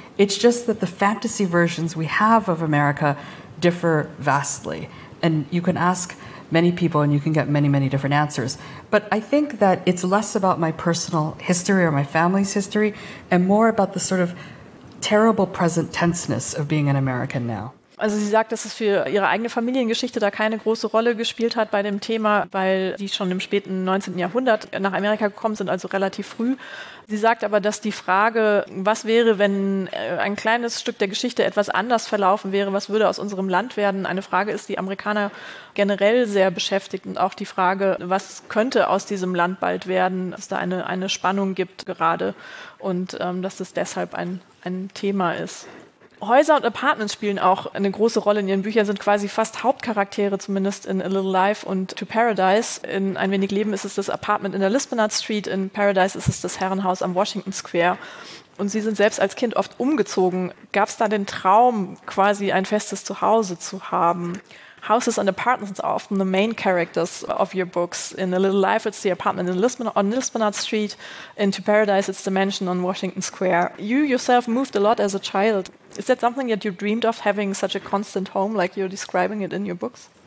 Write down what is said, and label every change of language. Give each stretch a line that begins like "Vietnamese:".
English: It's just that the fantasy versions we have of America differ vastly. And you can ask many people and you can get many, many different answers. But I think that it's less about my personal history or my family's history and more about the sort of terrible present tenseness of being an American now.
German: Also sie sagt, dass es für ihre eigene Familiengeschichte da keine große Rolle gespielt hat bei dem Thema, weil sie schon im späten 19. Jahrhundert nach Amerika gekommen sind, also relativ früh. Sie sagt aber, dass die Frage, was wäre, wenn ein kleines Stück der Geschichte etwas anders verlaufen wäre, was würde aus unserem Land werden, eine Frage ist, die Amerikaner generell sehr beschäftigt. Und auch die Frage, was könnte aus diesem Land bald werden, dass da eine Spannung gibt gerade und dass das deshalb ein Thema ist. Häuser und Apartments spielen auch eine große Rolle in ihren Büchern, sind quasi fast Hauptcharaktere, zumindest in A Little Life und To Paradise. In Ein wenig Leben ist es das Apartment in der Lisbonard Street, in Paradise ist es das Herrenhaus am Washington Square. Und sie sind selbst als Kind oft umgezogen. Gab es da den Traum, quasi ein festes Zuhause zu haben?
English: Houses and apartments are often the main characters of your books. In A Little Life, it's the apartment on Lisbonard Street. In To Paradise, it's the mansion on Washington Square. You yourself moved a lot as a child. Is that something that you dreamed of, having such a constant home like you're describing it in your books?